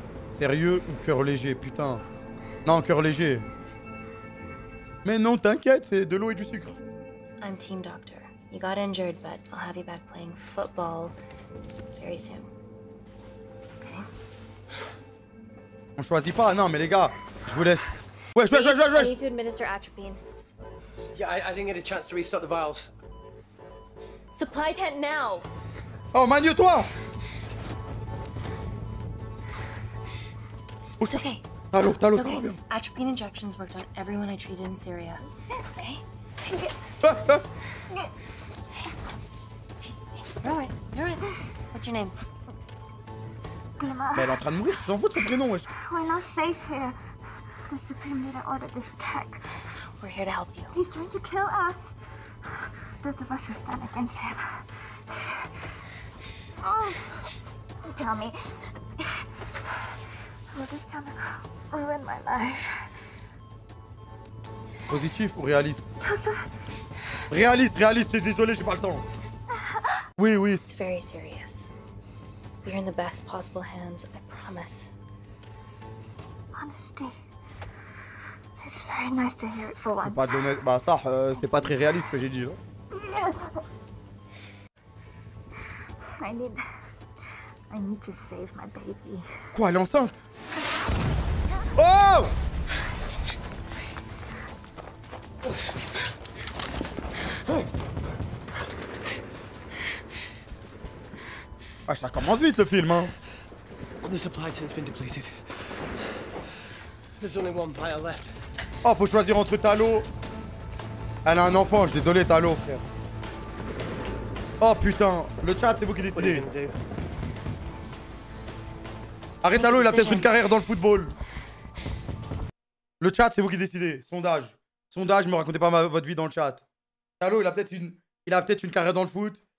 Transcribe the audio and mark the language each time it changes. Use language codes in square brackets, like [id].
[fr] Sérieux ou cœur léger, putain? Non, cœur léger. Mais non, t'inquiète, c'est de l'eau et du sucre. [en] I'm team doctor. You got injured, but I'll have you back playing football very soon. [fr] On choisit pas, non mais les gars, je vous laisse. Ouais, je vais, je vais, je vais. [en] I need to administer atropine. Yeah, I didn't get a chance to restock the vials. Supply tent now. [fr] Oh, manie-toi. [en] It's okay. [fr] Allô, allô, [en] okay. Atropine injections worked on everyone I treated in Syria. Okay. Hey, hey. Hey, hey. Right. Right. What's your name? [fr] Mais elle est en train de mourir, tu t'en fous de son prénom, wesh. [en] We're not safe here. The Supreme Leader ordered this attack. We're here to help you. He's trying to kill us. Both of us will stand against him. Oh. Tell me. Will this chemical ruin my life? [fr] Positif ou réaliste? Tessa. Réaliste, réaliste, désolé, j'ai pas le temps. Oui, oui. [en] It's very serious. You're in the best possible hands, I promise. Honesty. It's very nice to hear it for once. [fr] Pas d'honnête. Bah ça, c'est pas très réaliste ce que j'ai dit. Hein. [en] I need to save my baby. [fr] Quoi, elle est enceinte? Oh! Ça commence vite le film, hein. The supply tent's been depleted. There's only one vial left. Oh, faut choisir entre Talo. Elle a un enfant, je suis désolé, Talo, frère. Oh putain, le chat, c'est vous qui décidez. Arrête Talo, il a peut-être une carrière dans le football. Le chat, c'est vous qui décidez. Sondage. Sondage, me racontez pas votre vie dans le chat. Talo, il a peut-être une carrière dans le foot.